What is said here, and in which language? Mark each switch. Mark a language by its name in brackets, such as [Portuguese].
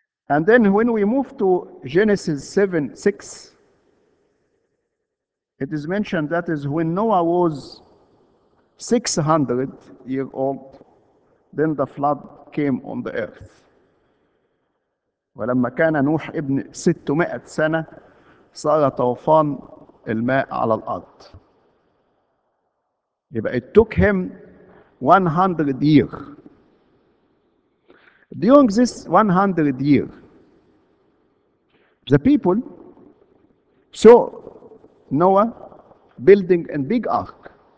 [English] And then when we move to Genesis 7:6, it is mentioned that is when Noah was 600 years old, then the flood came on the earth. [Arabic] ولما كان نوح ابن 600 سنة صار طوفان الماء على الأرض. [English] يبقى it took him 100 years. During this 100 year, the people saw Noah building a big ark.